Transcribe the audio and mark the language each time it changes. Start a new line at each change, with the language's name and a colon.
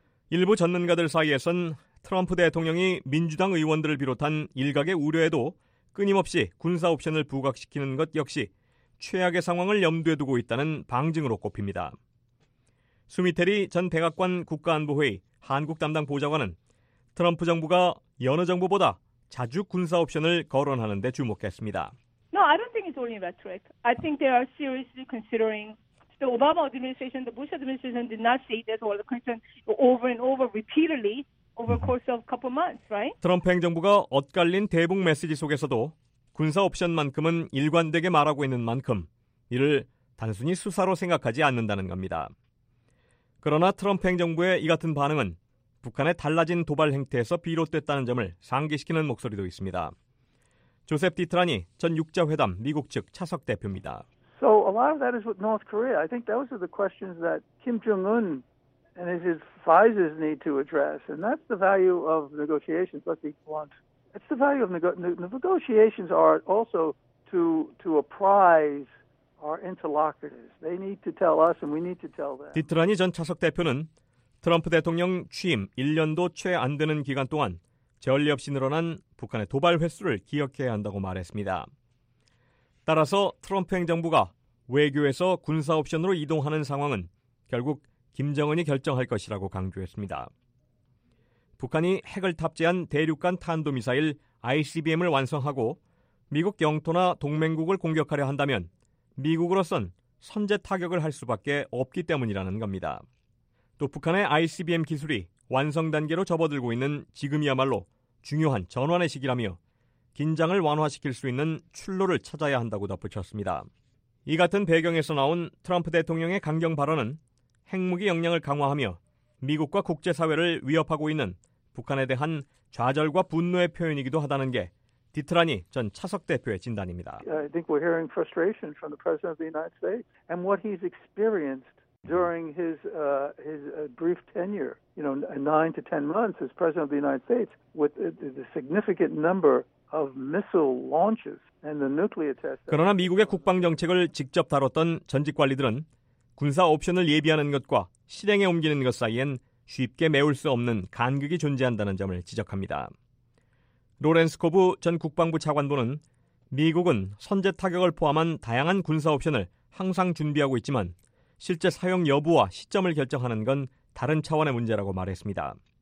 Korean: 일부 전문가들 사이에선 트럼프 대통령이 민주당 의원들을 비롯한 일각의 우려에도 끊임없이 군사 옵션을 부각시키는 것 역시 최악의 상황을 염두에 두고 있다는 방증으로 꼽힙니다. 수미테리 전 백악관 국가안보회의 한국 담당 보좌관은 트럼프 정부가 여느 정부보다 자주 군사 옵션을 거론하는 데 주목했습니다.
English: No, I don't think it's only rhetoric. I think they are seriously considering. The Obama administration, the Bush administration did not say that or the concern over and over repeatedly over the course of a couple months, right?
Korean: 트럼프 행정부가 엇갈린 대북 메시지 속에서도 군사 옵션만큼은 일관되게 말하고 있는 만큼 이를 단순히 수사로 생각하지 않는다는 겁니다. 그러나 트럼프 행정부의 이 같은 반응은 북한의 달라진 도발 행태에서 비롯됐다는 점을 상기시키는 목소리도 있습니다. 조셉 디트라니 전 육자회담 미국 측 차석 대표입니다.
English: So a lot of that is with North Korea. I think those are the questions that Kim Jong-un and his advisors need to address. And that's the value of negotiations, let's be blunt. It's the value of negotiations are also to apprise our interlocutors. They need to tell us and we need to tell them.
Korean: 디트라니 전 차석 대표는 트럼프 대통령 취임 1년도 채 안 되는 기간 동안 전례 없이 늘어난 북한의 도발 횟수를 기억해야 한다고 말했습니다. 따라서 트럼프 행정부가 외교에서 군사 옵션으로 이동하는 상황은 결국 김정은이 결정할 것이라고 강조했습니다. 북한이 핵을 탑재한 대륙간 탄도미사일 ICBM을 완성하고 미국 영토나 동맹국을 공격하려 한다면 미국으로선 선제 타격을 할 수밖에 없기 때문이라는 겁니다. 또 북한의 ICBM 기술이 완성 단계로 접어들고 있는 지금이야말로 중요한 전환의 시기라며 긴장을 완화시킬 수 있는 출로를 찾아야 한다고 덧붙였습니다. 이 같은 배경에서 나온 트럼프 대통령의 강경 발언은 핵무기 역량을 강화하며 미국과 국제사회를 위협하고 있는 북한에 대한 좌절과 분노의 표현이기도 하다는 게 디트라니 전 차석 대표의 진단입니다.
English: I think we're hearing frustration from the President of the United States and what he's experienced during his brief tenure, you know, 9 to 10 months as President of the United States with the significant number of missile launches and the nuclear tests.
Korean: 그러나 미국의 국방 정책을 직접 다뤘던 전직 관리들은 군사 옵션을 예비하는 것과 실행에 옮기는 것 사이엔 쉽게 메울 수 없는 간극이 존재한다는 점을 지적합니다. 로렌스 코브 전 국방부 차관보는 미국은 선제 타격을 포함한 다양한 군사 옵션을 항상 준비하고 있지만 실제 사용 여부와 시점을 결정하는 건 다른 차원의 문제라고 말했습니다.